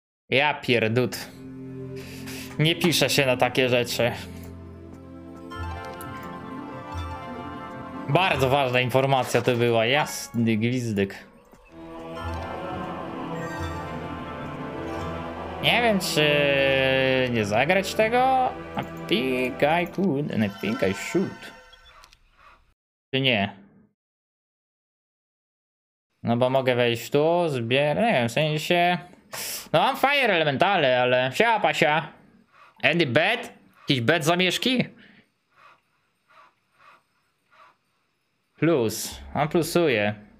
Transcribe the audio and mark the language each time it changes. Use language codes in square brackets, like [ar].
[pl] Ja pierdut. Nie pisze się na takie rzeczy. Bardzo ważna informacja to była, jasny gwizdek. Nie wiem, czy nie zagrać tego. [en] A think I could and I think I should. [pl] Czy nie? No bo mogę wejść tu, zbieram, nie wiem, w sensie... No mam fire elementale, ale... Siapa, pasia. [en] Any bed? [pl] Jakiś bed zamieszki? Plus. On plusuje.